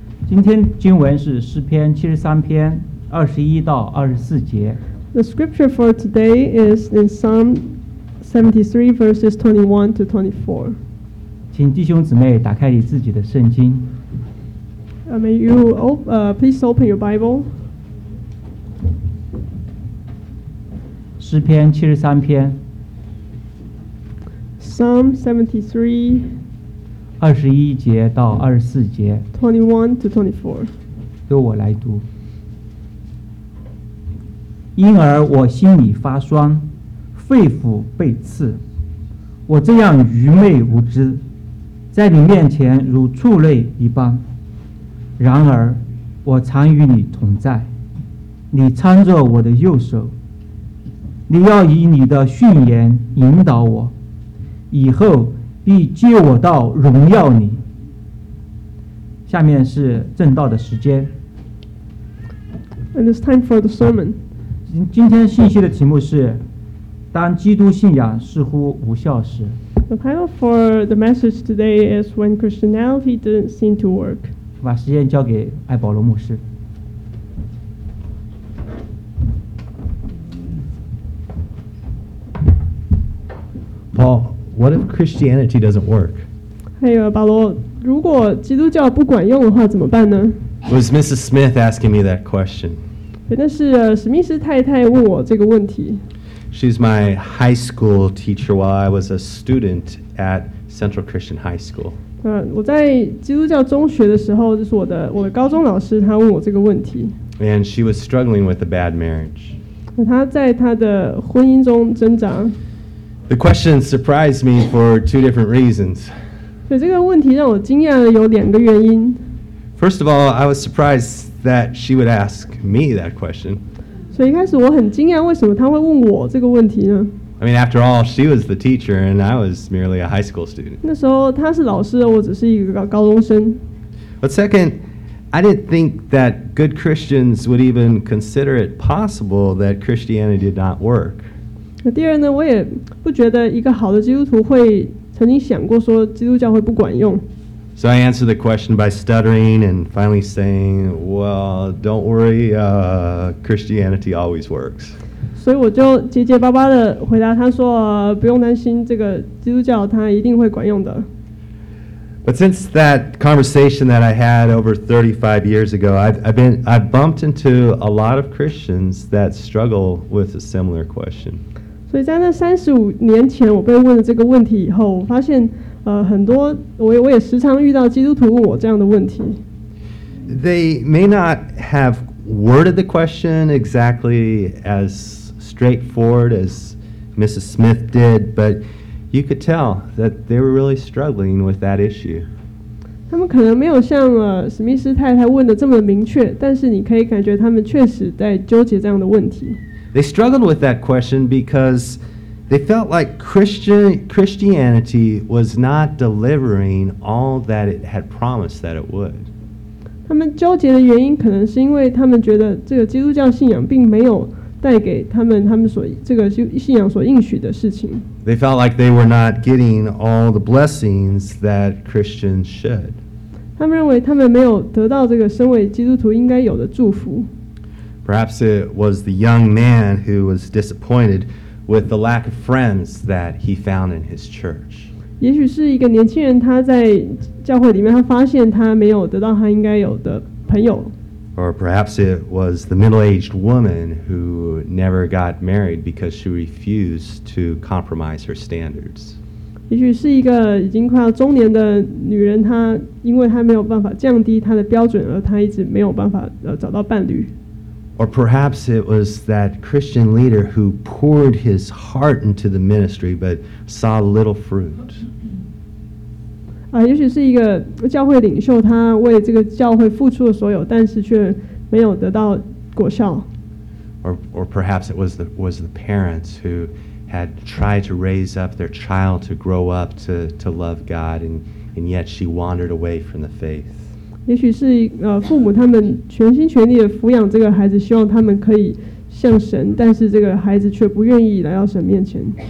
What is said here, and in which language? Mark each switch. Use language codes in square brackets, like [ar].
[zh] 今天经文是诗篇七十三篇二十一到二十四节。 [en] The scripture for today is in Psalm 73 verses 21 to 24. [zh] 请弟兄姊妹打开你自己的圣经。 [en] May you please open your Bible. [zh] 诗篇七十三篇。 [en] Psalm 73, 21 [zh] 节到24节。 [en] 21 to 24. [zh] 由我来读。因而我心里发酸，肺腑被刺，我这样愚昧无知，在你面前如畜类一般。然而我常与你同在，你搀着我的右手，你要以你的训言引导我，以后必接我到荣耀里。下面是正道的时间。 [en] And it's time for the sermon. [zh] 今天信息的题目是当基督信仰似乎无效时。 [en] The title for the message today is When Christianity Didn't Seem to Work. [zh] 把时间交给艾保罗牧师。 [en] Paul,What if Christianity doesn't work? [zh] Hey, 保罗，如果基督教不管用的话，怎么办呢？ [en] It was Mrs. Smith asking me that question. [zh] 那是史密斯太太问我这个问题。 [en] She's my high school teacher while I was a student at Central Christian High School. [zh] 我在基督教中学的时候，就是我的高中老师，他问我这个问题。 [en] And she was struggling with a bad marriage. [zh] 她在她的婚姻中挣扎。 [en] The question surprised me for two different reasons. [zh] 所以这个问题让我惊讶的有两个原因。 [en] First of all, I was surprised that she would ask me that question. [zh] 所以一开始我很惊讶为什么她会问我这个问题呢？ [en] I mean, after all, she was the teacher and I was merely a high school student. [zh] 那时候她是老师，我只是一个高中生。 [en] But second, I didn't think that good Christians would even consider it possible that Christianity did not work. [zh] 第二呢，我也不觉得一个好的基督徒会曾经想过说基督教会不管用。 [en] So I answered the question by stuttering and finally saying, "Well, don't worry, Christianity always works." [zh] 所以我就结结巴巴的回答他说，不用担心，这个基督教它一定会管用的。 [en] But since that conversation that I had over 35 years ago, I've bumped into a lot of Christians that struggle with a similar question. [zh] 所以在那三十五年前我被问了这个问题以后，我发现很多我也时常遇到基督徒问我这样的问题。 [en] They may not have worded the question exactly as straightforward as Mrs. Smith did, but you could tell that they were really struggling with that issue. [zh] 他们可能没有像史密斯太太问的这么明确，但是你可以感觉他们确实在纠结这样的问题。 [en] They struggled with that question because they felt like Christianity was not delivering all that it had promised that it would. [zh] 他们纠结的原因可能是因为他们觉得这个基督教信仰并没有带给他们所这个信仰所应许的事情。 [en] They felt like they were not getting all the blessings that Christians should. [zh] 他们认为他们没有得到这个身为基督徒应该有的祝福。 [en] Perhaps it was the young man who was disappointed with the lack of friends that he found in his church. [zh] 也许是一个年轻人，他在教会里面，他发现他没有得到他应该有的朋友。 [en] Or perhaps it was the middle-aged woman who never got married because she refused to compromise her standards. [zh] 也许是一个已经快要中年的女人，她因为她没有办法降低她的标准，而她一直没有办法找到伴侣。 [en] Or perhaps it was that Christian leader who poured his heart into the ministry but saw little fruit. [zh] 也许是一个教会领袖，他为这个教会付出了所有，但是却没有得到果效。 [en] Or perhaps it was the parents who had tried to raise up their child to grow up to love God, and yet she wandered away from the faith. [zh] 也许是父母他们全心全力的抚养这个孩子，希望他们可以像神，但是这个孩子却不愿意来到神面前。